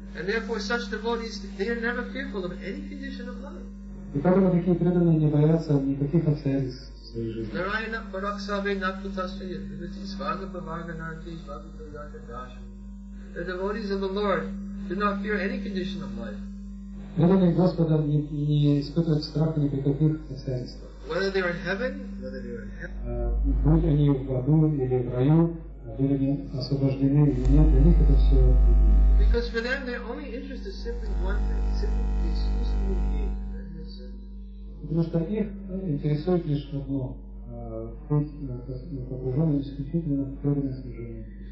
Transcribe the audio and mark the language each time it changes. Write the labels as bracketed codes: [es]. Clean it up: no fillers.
[ru] И поэтому такие преданные не боятся никаких обстоятельств в своей жизни. [en] Do not fear any condition of life. [ru] Преданные Господа не испытывают страха ни при каких обстоятельствах. [en] Whether they are in heaven, [ru] будь они в аду или в раю, были они освобождены или нет, для них это все. [en] Because for them, their only interest is simply one thing, simply exclusively [ru] being. Потому что их интересует лишь одно, быть погруженным исключительно в преданное служение.